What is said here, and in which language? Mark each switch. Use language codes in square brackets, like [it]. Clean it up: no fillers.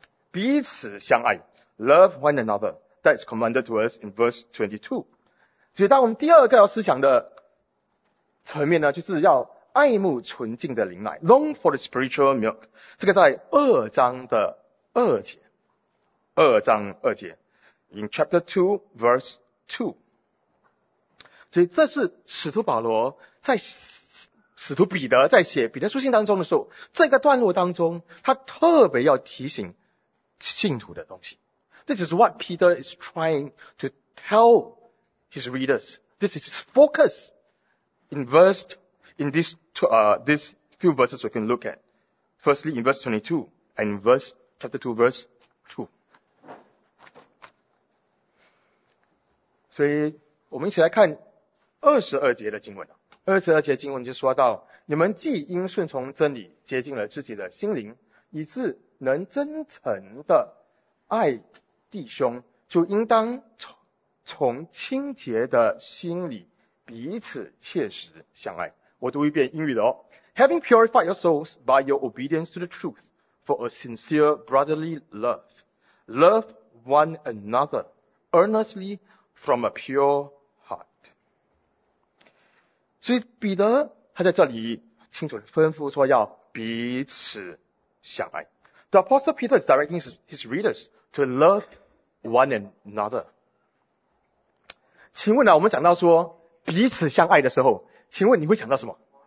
[zh] 彼此相爱， [en] Love one another, that's commanded to us in verse 22. [zh] 所以当我们第二个要思想的层面呢，就是要爱慕纯净的灵奶， [en] Long for the spiritual milk, [zh] 这个在二章二节 [en] in chapter 2 verse 2. [zh] 所以这是使徒保罗在使徒彼得在写彼得书信当中的时候，这个段落当中他特别要提醒信徒的东西。 [en] This is what Peter is trying to tell his readers. This is his focus in verse, in this, this few verses we can look at. Firstly, in verse 22 and in verse, chapter 2, verse 2. [zh] 所以我们一起来看22节的经文。 22节经文就说到，你们既因顺从真理洁净了自己的心灵，以致能真诚的爱弟兄，就应当从清洁的心里彼此切实相爱。我读一遍英语的哦。 [en] Having purified your souls by your obedience to the truth for a sincere brotherly love, love one another earnestly from a pure heart. [zh] 所以彼得他在这里清楚吩咐说要彼此相爱。 [en] The Apostle Peter is directing his readers to love one another. [zh] 请问呢，我们讲到说彼此相爱的时候，请问你会想到什么？